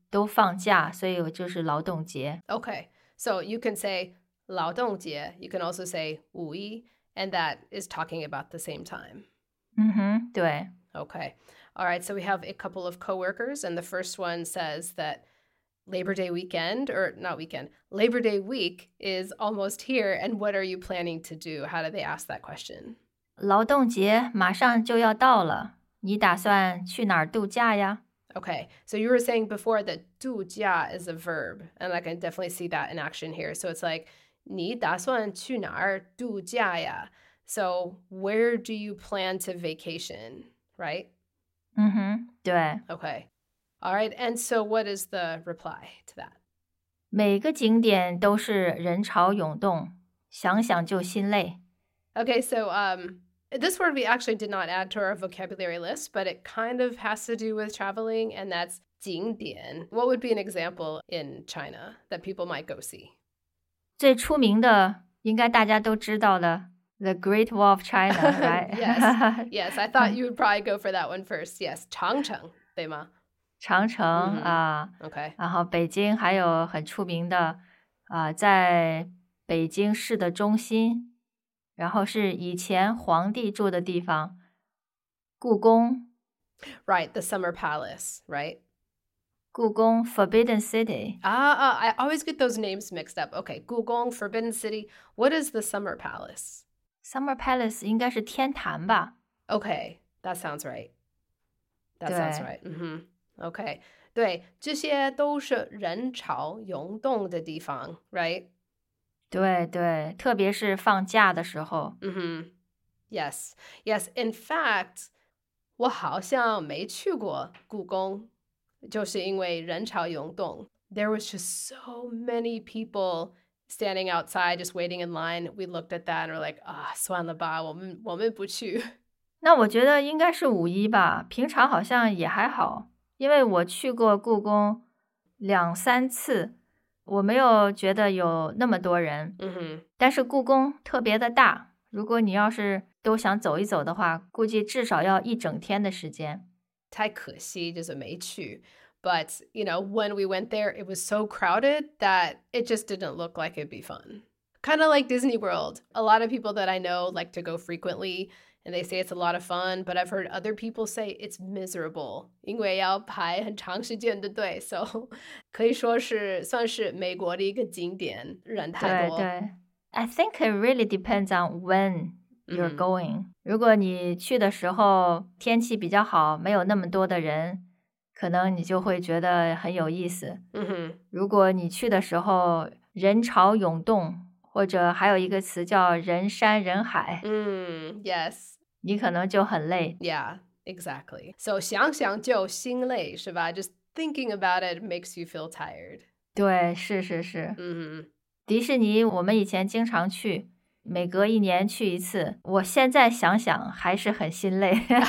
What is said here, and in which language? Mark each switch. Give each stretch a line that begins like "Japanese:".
Chinese: 都放假，所以就是劳动节。
English: Okay, so you can say 劳动节, you can also say 五一, and that is talking about the same time.
Chinese: 嗯哼，对。
English: Okay. All right, so we have a couple of coworkers, and the first one says that Labor Day weekend, or not weekend, Labor Day week is almost here, and what are you planning to do? How do they ask that question?
Chinese: 劳动节马上就要到了，你打算去哪儿度假呀？
English: Okay, so you were saying before that 度假 is a verb, and I can definitely see that in action here. So it's like,
Chinese: 你打算去哪儿度假呀?
English: So where do you plan to vacation, right?
Chinese: Mm-hmm, 对。
English: Okay, all right, and so what is the reply to that?
Chinese: 每个景点都是人潮涌动,想想就心累。
English: Okay, so this word we actually did not add to our vocabulary list, but it kind of has to do with traveling, and that's 景点. What would be an example in China that people might go see?
Chinese: 最出名的应该大家都知道的 The Great Wall of China, right?
English: Yes, yes, I thought you would probably go for that one first.
Chinese: Yes, 长城,对吗? 长城啊、
English: mm-hmm. Okay.
Chinese: 然后北京还有很出名的啊、在北京市的中心。然后是以前皇帝住的地方，故宫。
English: Right, the Summer Palace, right? 故宫 Forbidden City. I always get those names mixed up. Okay, 故宫 Forbidden City. What is the Summer Palace?
Chinese: Summer Palace 应该是天坛吧。
English: Okay, that sounds right. That sounds right. Mm-hmm.
Chinese: Okay, 对，这些都是人潮涌动的地方 right? 对对，特别是放假的时候。嗯哼 ，
English: Yes, yes. In fact,
Chinese: 我好像没去过故宫，就是因为人潮涌动。
English: There was just so many people standing outside, just waiting in line. We looked at that and were like,
Chinese: 啊，算了吧，我们不去。那我觉得应该是五一吧，平常好像也还好，因为我去过故宫两三次。我没有觉得有那么多人、 mm-hmm. 但是故宫特别的大如果你要是都想走一走的话估计至少要一整天的时间太可惜就是没去
English: But, you know, when we went there it was so crowded that it just didn't look like it'd be fun Kind of like Disney World A lot of people that I know like to go frequently and they say it's a lot of fun but I've heard other people say it's miserable
Chinese: 因为要排很长时间的队
English: so
Chinese: 可以说是算是美国的一个景点人太多
English: 对对 I think it really depends on when you're going、mm-hmm.
Chinese: 如果你去的时候天气比较好没有那么多的人可能你就会觉得很有意思、 mm-hmm. 如果你去的时候人潮涌动或者还有一个词叫人山人海。
English: Yes.
Chinese: 你可能就很累。
English: Yeah, exactly. So
Chinese: 想想就心累是吧
English: Just thinking about it makes you feel tired.
Chinese: 对是是是。迪士尼我们以前经常去每隔一年去一次我现在想想还是很心累。